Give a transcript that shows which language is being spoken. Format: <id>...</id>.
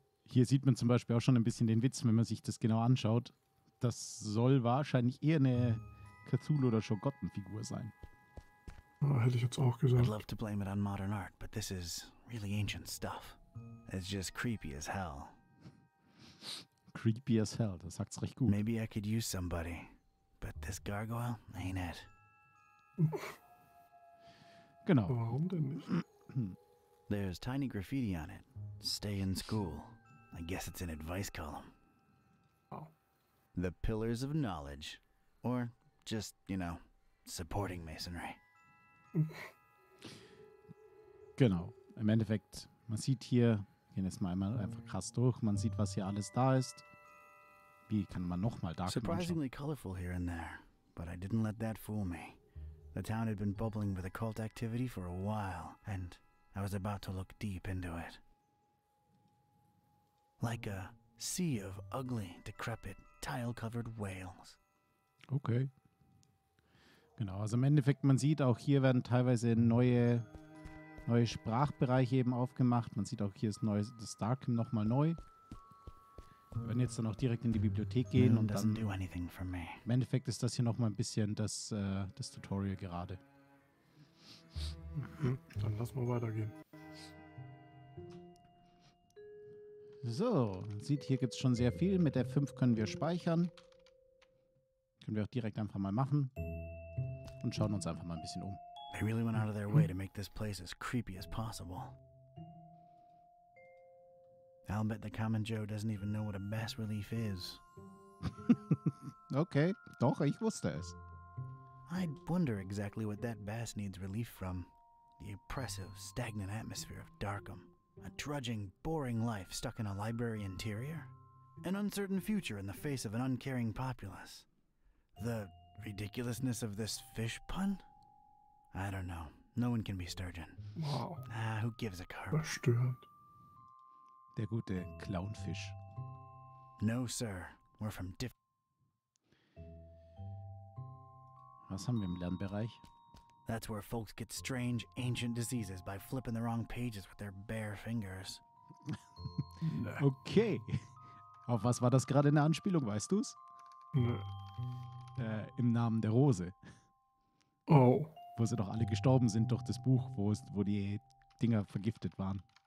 <de>Hier sieht man zum Beispiel auch schon ein bisschen den Witz, wenn man sich das genau anschaut. Das soll wahrscheinlich eher eine Cthulhu- oder Schogottenfigur sein. Oh, hätte ich jetzt auch gesagt.</de> <en>I'd love to blame it on modern art, but this is really ancient stuff. It's just creepy as hell. Creepy as hell,</en> <de>das sagt's recht gut.</de> <en>Maybe I could use somebody, but this gargoyle ain't it.</en> <de>Genau. Warum denn nicht?</de> <en>There's tiny graffiti on it. Stay in school. I guess it's an advice column. Oh. The pillars of knowledge. Or just, you know, supporting masonry.</en> <de>Genau. Im Endeffekt, man sieht hier, gehen jetzt mal einmal einfach krass durch, man sieht, was hier alles da ist. Wie kann man nochmal da anschauen?</de> <en>Surprisingly colorful here and there, but I didn't let that fool me. The town had been bubbling with occult activity for a while, and I was about to look deep into it. Like a sea of ugly, decrepit, tile-covered whales. Okay.</en> <de>Genau, also im Endeffekt, man sieht auch, hier werden teilweise neue Sprachbereiche eben aufgemacht. Man sieht auch, hier ist neues, das Darkum nochmal neu. Wir werden jetzt dann auch direkt in die Bibliothek gehen und dann...</de> <en>Do anything for me.</en> <de>Im Endeffekt ist das hier nochmal ein bisschen das Tutorial gerade. Dann lass mal weitergehen. So, sieht, hier gibt es schon sehr viel. Mit der 5 können wir speichern. Können wir auch direkt einfach mal machen. Und schauen uns einfach mal ein bisschen um.</de> <en>They really went out of their way to make this place as creepy as possible. I'll bet the common Joe doesn't even know what a bas relief is.</en> <de>Okay, doch, ich wusste es.</de> <en>I wonder exactly what that bass needs relief from. The oppressive, stagnant atmosphere of Darkum. A drudging, boring life stuck in a library interior? An uncertain future in the face of an uncaring populace? The ridiculousness of this fish pun? I don't know. No one can be Sturgeon. Wow. Ah, who gives a carp?</en> <de>Bestört. Der gute Clownfisch.</de> <en>No, sir. We're from diff...</en> <de>Was haben wir im Lernbereich?</de> <en>That's where folks get strange, ancient diseases by flipping the wrong pages with their bare fingers. Okay.</en> <de>Auf was war das gerade eine Anspielung, weißt du's? Nee. Im Namen der Rose. Oh. Wo sie doch alle gestorben sind durch das Buch, wo die Dinger vergiftet waren.</de>